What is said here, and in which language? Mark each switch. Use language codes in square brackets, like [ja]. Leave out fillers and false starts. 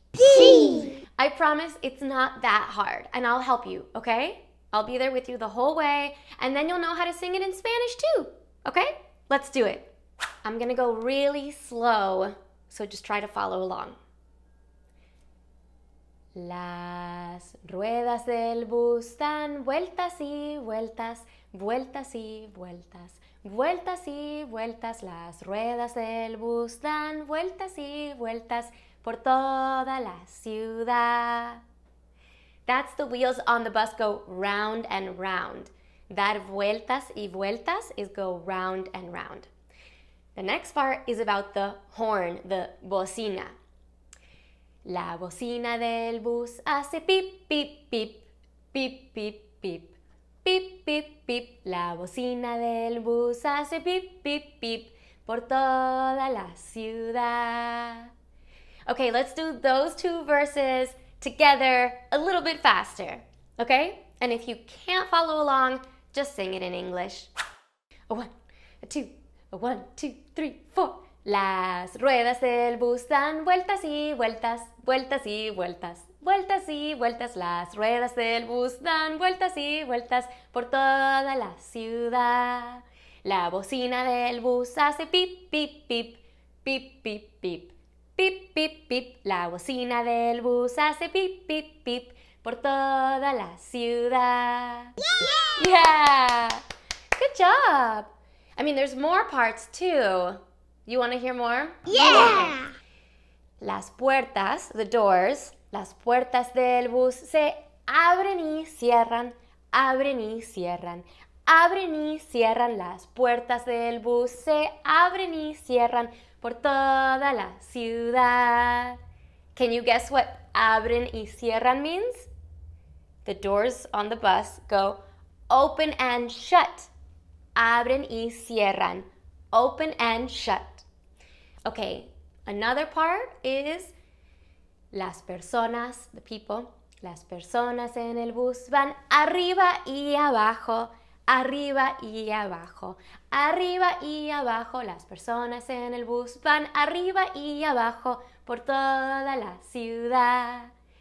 [es] Sí! [en] I promise it's not that hard, and I'll help you, okay? I'll be there with you the whole way, and then you'll know how to sing it in Spanish too, okay? Let's do it. I'm gonna go really slow, so just try to follow along. [es] Las ruedas del bus dan vueltas y vueltas, vueltas y vueltas, vueltas y vueltas. Las ruedas del bus dan vueltas y vueltas por toda la ciudad. [en] That's the wheels on the bus go round and round. [es] Dar vueltas y vueltas [en] is go round and round. The next part is about the horn, the bocina. [es] La bocina del bus hace pip, pip, pip, pip, pip, pip, pip, pip, pip. La bocina del bus hace pip, pip, pip, por toda la ciudad. [en] Okay, let's do those two verses together a little bit faster, okay? And if you can't follow along, just sing it in English. A one, a two. One, two, three, four. [es] Las ruedas del bus dan vueltas y vueltas, vueltas y vueltas, vueltas y vueltas. Las ruedas del bus dan vueltas y vueltas por toda la ciudad. La bocina del bus hace pip, pip, pip, pip, pip, pip, pip, pip, pip. La bocina del bus hace pip, pip, pip por toda la ciudad. [en] Yeah! Good job! I mean, there's more parts too. You want to hear more? Yeah! [es] Las puertas, [en] the doors. [es] Las puertas del bus se abren y cierran. Abren y cierran. Abren y cierran. Las puertas del bus se abren y cierran por toda la ciudad. [en] Can you guess what [es] abren y cierran [en] means? The doors on the bus go open and shut. [es] Abren y cierran, [en] open and shut. Okay, another part is [es] las personas, [en] the people. [es] Las personas en el bus van arriba y abajo, arriba y abajo, arriba y abajo. Las personas en el bus van arriba y abajo por toda la ciudad.